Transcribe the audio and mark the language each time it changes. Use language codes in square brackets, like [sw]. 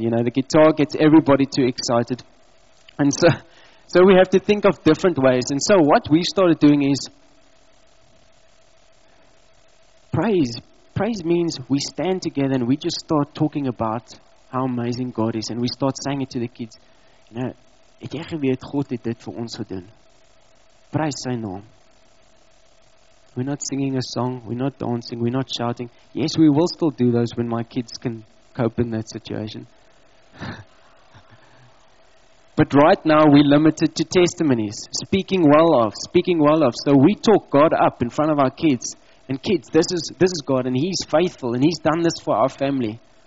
[en] You know, the guitar gets everybody too excited. And so we have to think of different ways. And so what we started doing is praise. Praise means we stand together and we just start talking about how amazing God is, and we start saying it to the kids. [af] You know, het jy geweet God het dit vir ons gedoen? Prys sy naam. [en] We're not singing a song, we're not dancing, we're not shouting. Yes, we will still do those when my kids can cope in that situation. But right now we're limited to testimonies, speaking well of. So we talk God up in front of our kids, and kids, this is God, and He's faithful, and He's done this for our family.